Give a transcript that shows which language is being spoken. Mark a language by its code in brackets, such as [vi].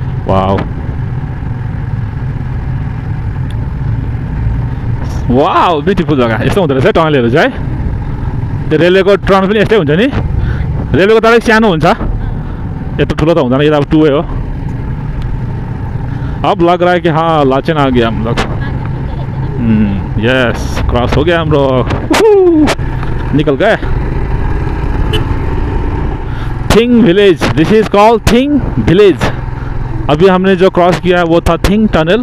[ne] Wow wow beautiful जग्गा। यस्तो हुँदो रहेछ है टनलहरू चाहिँ है। रेलवेको ट्रन पनि यस्तै हुन्छ नि। रेलवेको त अलिक सानो हुन्छ, यत्रो ठुलो त हुँदैन, यता टुवे हो। [hi] अब लग रहा है कि हाँ लाचेन आ गया हम लोग। यस क्रॉस हो गया हम लोग, निकल गए thing village. [en] This is called thing village. [hi] अभी हमने जो क्रॉस किया वो था थिंग टनल।